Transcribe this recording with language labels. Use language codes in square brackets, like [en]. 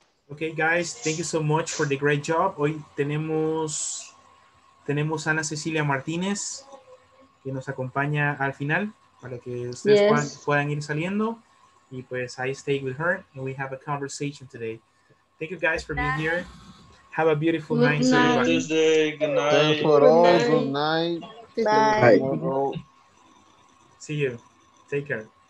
[en] Okay, guys, thank you so much for the great job. [es] Hoy tenemos Ana Cecilia Martínez, que nos acompaña al final para que ustedes [en] yes. [es] puedan ir saliendo. Y pues [en] I stayed with her and we have a conversation today. Thank you guys for being here. Have a beautiful good night. Good night. Good night. Thanks for good all. Night. Good night. Bye. Bye. See you. Take care.